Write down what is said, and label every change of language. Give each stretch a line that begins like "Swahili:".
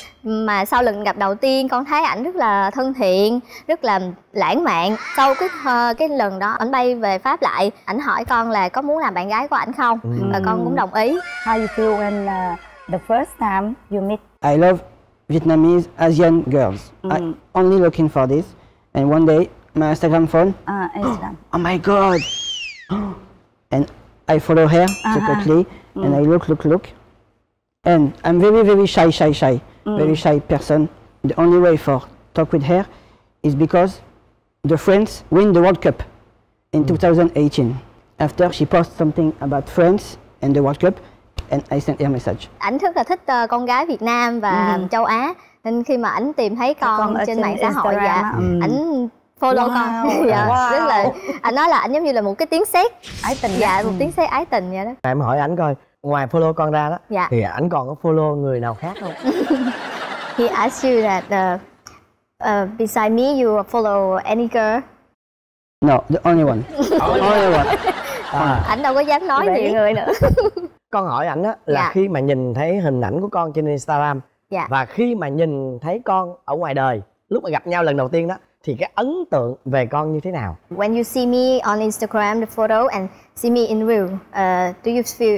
Vietnamese: Mà sau lần gặp đầu tiên con thấy ảnh rất là thân thiện, rất là lãng mạn. Sau cái lần đó ảnh bay về Pháp lại, ảnh hỏi con là có muốn làm bạn gái của ảnh không. Và con cũng đồng ý.
English: How you feel when the first time you meet? I love Vietnamese Asian girls. I only looking for this. And one day my Instagram phone. Instagram. Oh my god. And I follow her typically. And I look. And I'm very shy. Very shy person. The only way for talk with her is because the France win the World Cup in 2018. After she posted something about France and the World Cup. And I sent a message.
Vietnamese: Ảnh rất là thích con gái Việt Nam và châu Á. Nên khi mà ảnh tìm thấy con trên mạng xã hội, ảnh follow con. Rất là, ảnh nói là ảnh giống như là một cái tiếng sét ái tình. Một tiếng sét ái tình vậy đó. Em hỏi ảnh coi, ngoài follow con ra đó, thì ảnh còn có follow người nào khác không?
English: He asked you that beside me you follow any girl? No, the only one.
Vietnamese: Ảnh đâu có dám nói nhiều người nữa. Con hỏi ảnh á là khi mà nhìn thấy hình ảnh của con trên Instagram và khi mà nhìn thấy con ở ngoài đời, lúc mà gặp nhau lần đầu tiên đó, thì cái ấn tượng về con như thế nào?
English: When you see me on Instagram the photo and see me in real, do you feel